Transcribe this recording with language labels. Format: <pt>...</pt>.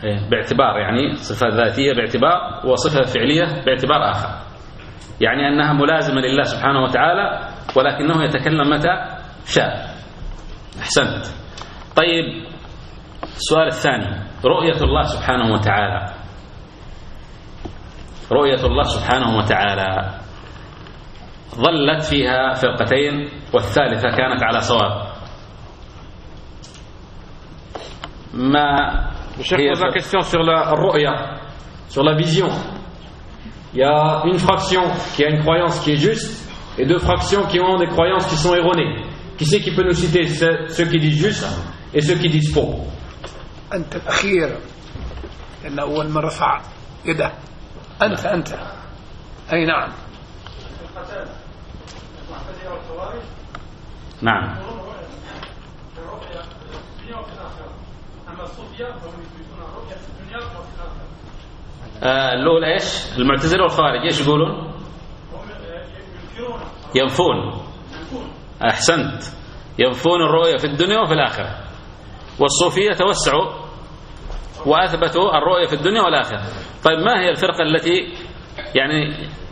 <ar>باعتبار يعني صفة ذاتية باعتبار وصفة فعلية باعتبار آخر يعني أنها ملازمة لله سبحانه وتعالى ولكنه يتكلم متى شاء أحسنت طيب السؤال الثاني رؤية الله سبحانه وتعالى رؤية الله سبحانه وتعالى ظلت فيها فرقتين والثالثة كانت على صواب ما</ar> <fr>هي question sur la rouya sur la vision il y a une fraction qui a une croyance qui est juste et deux fractions qui ont des croyances qui sont erronées qui c'est qui peut nous citer ceux qui disent juste et ceux qui disent faux</fr> <ar>انت الاخير ان اول من رفع يده أنت أنت أي نعم نعم الأولى إيش المعتزلة والخوارج إيش يقولون ينفون أحسنت ينفون الرؤية في الدنيا وفي الآخرة والصوفية توسعوا وأثبتوا الرؤية في الدنيا والآخرة طيب ما هي الفرقة التي يعني</ar>